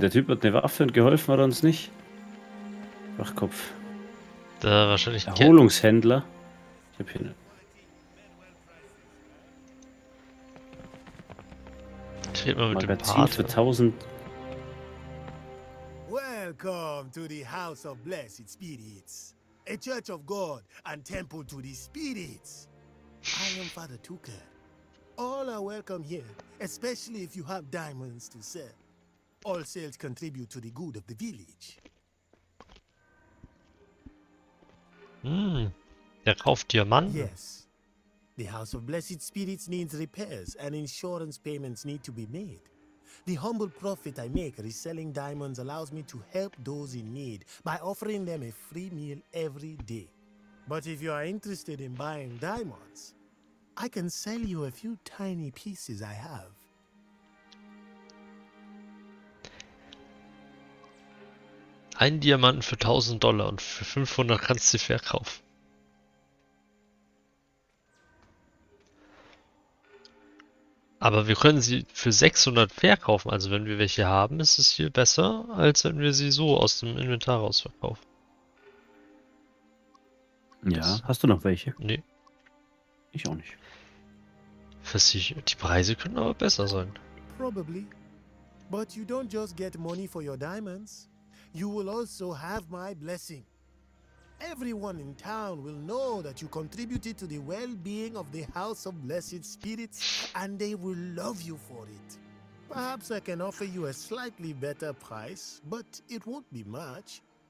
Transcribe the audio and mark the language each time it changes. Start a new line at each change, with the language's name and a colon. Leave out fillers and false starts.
German: Der Typ hat eine Waffe und geholfen hat uns nicht. Wachkopf. Da wahrscheinlich. Erholungshändler. Ich hab hier eine. Ich rede mal mit dem Pater. Für 1000.
English: Welcome to the House of Blessed Spirits. A Church of God and Temple to the Spirits. I am Father Tucker. All are welcome here, especially if you have diamonds to sell. All sales contribute to the good of the village.
German: Der kauft Diamanten.
English: Yes. The House of Blessed Spirits needs repairs and insurance payments need to be made. The humble profit I make reselling diamonds allows me to help those in need by offering them a free meal every day. But if you are interested in buying diamonds, I can sell you a few tiny pieces I have.
German: Ein Diamanten für $1,000 und für 500 kannst du sie verkaufen. Aber wir können sie für 600 verkaufen, also wenn wir welche haben, ist es hier besser, als wenn wir sie so aus dem Inventar raus verkaufen. Ja, das. Hast du noch welche? Nee. Ich auch nicht. Die Preise können aber besser sein.
English: Probably. But you don't just get money for your diamonds. You will also have my blessing. Everyone in town will know that you contributed to the well-being of the House of Blessed Spirits and they will love you for it. Perhaps I can offer you a slightly better price, but it won't be much.